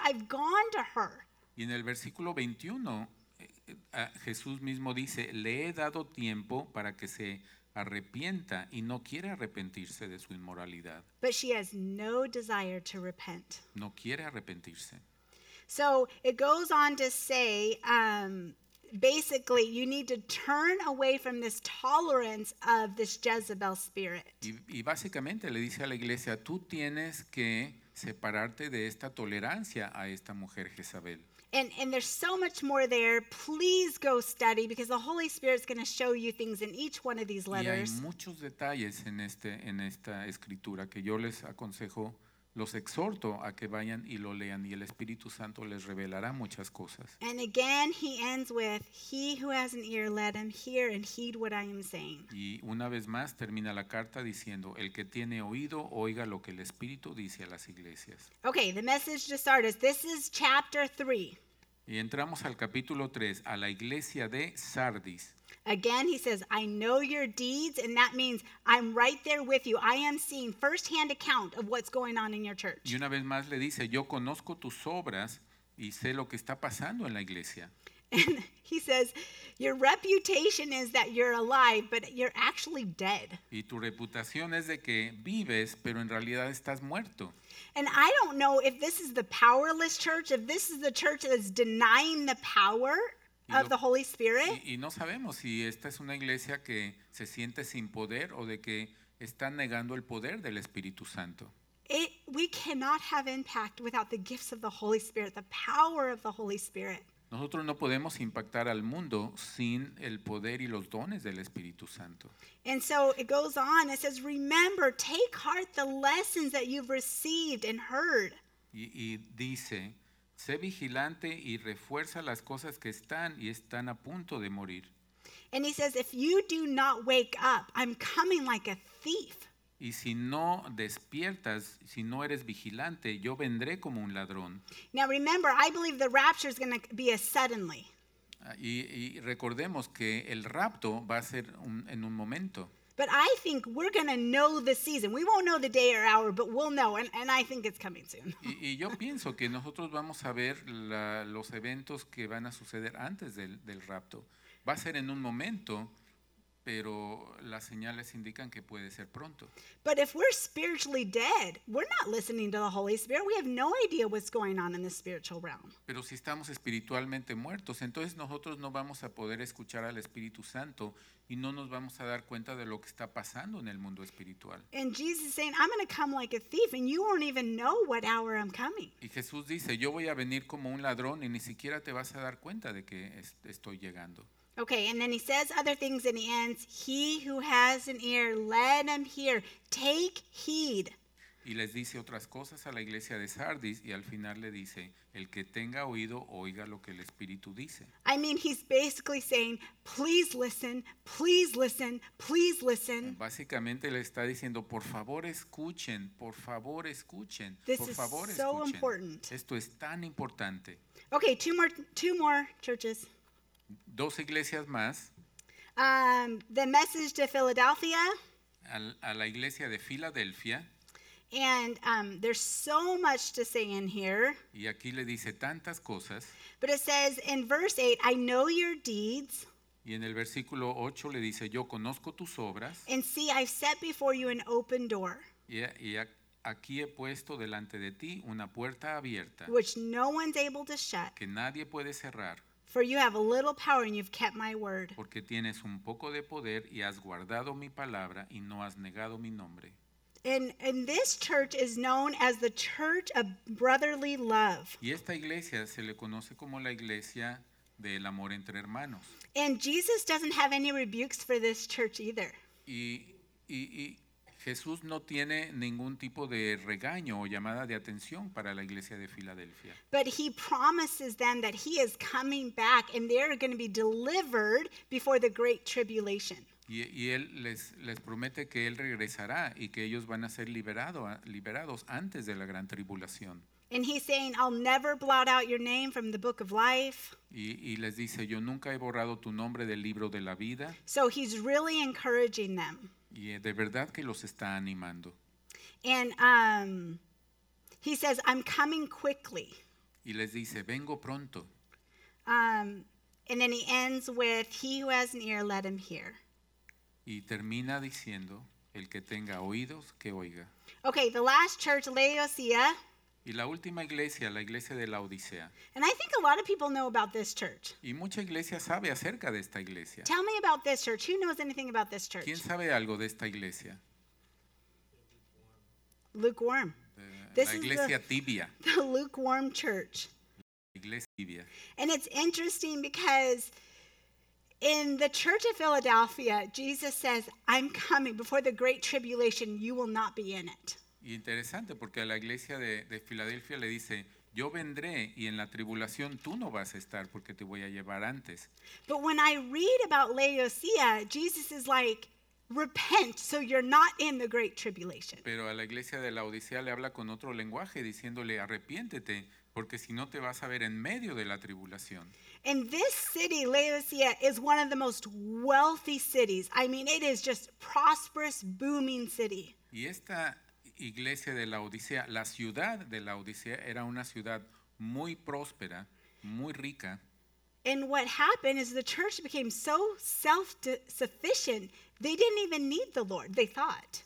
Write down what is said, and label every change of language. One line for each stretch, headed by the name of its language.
English: I've gone to her.
Spanish: Y en el versículo 21, Jesús mismo dice, le he dado tiempo para que se arrepienta y no quiere arrepentirse de su inmoralidad.
English: But she has no desire to repent.
Spanish: No quiere arrepentirse.
English: So it goes on to say, basically, you need to turn away from this tolerance of this Jezebel spirit.
Spanish: Y básicamente le dice a la iglesia, tú tienes que separarte de esta tolerancia a esta mujer Jezabel.
English: And there's so much more there. Please go study because the Holy Spirit is going to show you things in each one of these letters.
Spanish: Y hay muchos detalles en esta escritura que yo les aconsejo los exhorto a que vayan y lo lean, y el Espíritu Santo les revelará muchas cosas.
English: And again he ends with, he who has an ear, let him hear and heed what I am saying.
Spanish: Y una vez más termina la carta diciendo, el que tiene oído, oiga lo que el Espíritu dice a las iglesias.
English: Okay, the message to Sardis, this is chapter 3.
Spanish: Y entramos al capítulo 3, a la iglesia de Sardis.
English: Again, he says, I know your deeds, and that means I'm right there with you. I am seeing firsthand account of what's going on in your church.
Spanish: Y una vez más le dice, yo conozco tus obras y sé lo que está pasando en la iglesia.
English: And he says, your reputation is that you're alive, but you're actually dead.
Spanish: Y tu reputación es de que vives, pero en realidad estás muerto.
English: And I don't know if this is the powerless church, if this is the church that is denying the power of the Holy Spirit.
Spanish: Y no sabemos si esta es una iglesia que se siente sin poder o de que está negando el poder del Espíritu Santo.
English: We cannot have impact without the gifts of the Holy Spirit, the power of the Holy Spirit.
Spanish: Nosotros no podemos impactar al mundo sin el poder y los dones del Espíritu Santo.
English: And so it goes on, it says, remember, take heart the lessons that you've received and heard.
Spanish: Y dice, sé vigilante y refuerza las cosas que están y están a punto de morir.
English: And he says, if you do not wake up, I'm coming like a thief.
Spanish: Y si no despiertas, si no eres vigilante, yo vendré como un ladrón.
English: Now remember, I believe the rapture is going to be a suddenly.
Spanish: Y recordemos que el rapto va a ser en un momento.
English: But I think we're going to know the season. We won't know the day or hour, but we'll know, and I think it's coming soon.
Spanish: Y yo pienso que nosotros vamos a ver los eventos que van a suceder antes del rapto. Va a ser en un momento, pero las señales indican que puede ser pronto.
English: But if we're spiritually dead, we're not listening to the Holy Spirit. We have no idea what's going on in the spiritual realm.
Spanish: Pero si estamos espiritualmente muertos, entonces nosotros no vamos a poder escuchar al Espíritu Santo y no nos vamos a dar cuenta de lo que está pasando en el mundo espiritual.
English: And Jesus saying, I'm going to come like a thief and you won't even know what hour I'm coming.
Spanish: Y Jesús dice, yo voy a venir como un ladrón y ni siquiera te vas a dar cuenta de que estoy llegando.
English: Okay, and then he says other things and he ends, he who has an ear, let him hear, take heed.
Spanish: Y les dice otras cosas a la iglesia de Sardis y al final le dice, el que tenga oído, oiga lo que el Espíritu dice.
English: I mean, he's basically saying, please listen, please listen, please listen.
Spanish: Básicamente le está diciendo, por favor escuchen, por favor escuchen,
English: this
Spanish: por favor escuchen.
English: This is so important.
Spanish: Esto es tan importante.
English: Okay, two more churches.
Spanish: Dos iglesias más.
English: The message to Philadelphia.
Spanish: A la iglesia de Filadelfia.
English: And there's so much to say in here.
Spanish: Y aquí le dice tantas cosas.
English: But it says in verse 8, I know your deeds.
Spanish: Y en el versículo 8 le dice, yo conozco tus obras.
English: And see, I've set before you an open door.
Spanish: Y aquí he puesto delante de ti una puerta abierta.
English: Which no one's able to shut.
Spanish: Que nadie puede cerrar.
English: For you have a little power and you've kept my word.
Spanish: Porque tienes un poco de poder y has guardado mi palabra y no has negado mi nombre.
English: And this church is known as the church of brotherly love.
Spanish: Y esta iglesia se le conoce como la iglesia del amor entre hermanos.
English: And Jesus doesn't have any rebukes for this church either.
Spanish: Y Jesús no tiene ningún tipo de regaño o llamada de atención para la iglesia de Filadelfia.
English: But he promises them that he is coming back and they're going to be delivered before the great tribulation.
Spanish: Y él les promete que él regresará y que ellos van a ser liberados antes de la gran tribulación.
English: And he's saying, I'll never blot out your name from the book of life.
Spanish: Y les dice, yo nunca he borrado tu nombre del libro de la vida.
English: So he's really encouraging them.
Spanish: Y de verdad que los está animando.
English: And he says, I'm coming quickly.
Spanish: Y les dice, vengo pronto.
English: And then he ends with, he who has an ear, let him hear.
Spanish: Y termina diciendo, el que tenga oídos, que oiga.
English: Okay, the last church, Laodicea.
Spanish: Y la última iglesia, la iglesia de la Odisea.
English: And I think a lot of people know about this church.
Spanish: Y mucha iglesia sabe acerca de esta iglesia.
English: Tell me about this church. Who knows anything about this church?
Spanish: ¿Quién sabe algo de esta iglesia?
English: Lukewarm. This
Spanish: iglesia
English: is
Spanish: tibia.
English: The lukewarm church.
Spanish: Iglesia tibia.
English: And it's interesting because in the church of Philadelphia, Jesus says, I'm coming. Before the great tribulation, you will not be in it.
Spanish: Y interesante porque a la iglesia de Filadelfia le dice, yo vendré y en la tribulación tú no vas a estar porque te voy a llevar antes.
English: But when I read about Laodicea, Jesus is like, repent so you're not in the great tribulation.
Spanish: Pero a la iglesia de Laodicea le habla con otro lenguaje diciéndole, arrepiéntete porque si no te vas a ver en medio de la tribulación.
English: And this city, Laodicea, is one of the most wealthy cities. I mean, it is just prosperous, booming city.
Spanish: Y esta iglesia de Laodicea, la ciudad de Laodicea, era una ciudad muy próspera, muy rica.
English: And what happened is the church became so self-sufficient, they didn't even need the Lord, they thought.